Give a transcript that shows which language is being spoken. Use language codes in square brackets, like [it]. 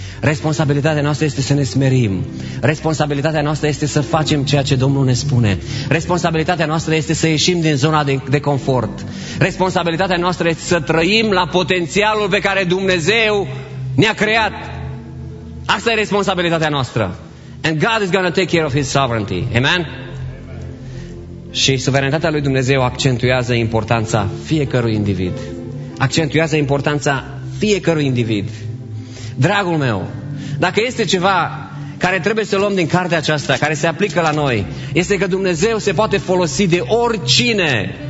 [ro] Responsabilitatea noastră este să ne smerim. Responsabilitatea noastră este să facem ceea ce Domnul ne spune. Responsabilitatea noastră este să ieșim din zona de confort. Responsabilitatea noastră este să trăim la potențialul pe care Dumnezeu ne-a creat. Asta e responsabilitatea noastră. [en] And God is going to take care of His sovereignty. Amen? [ro] Și suveranitatea lui Dumnezeu accentuează importanța fiecărui individ. Accentuează importanța fiecărui individ. Dragul meu, dacă este ceva care trebuie să luăm din cartea aceasta, care se aplică la noi, este că Dumnezeu se poate folosi de oricine.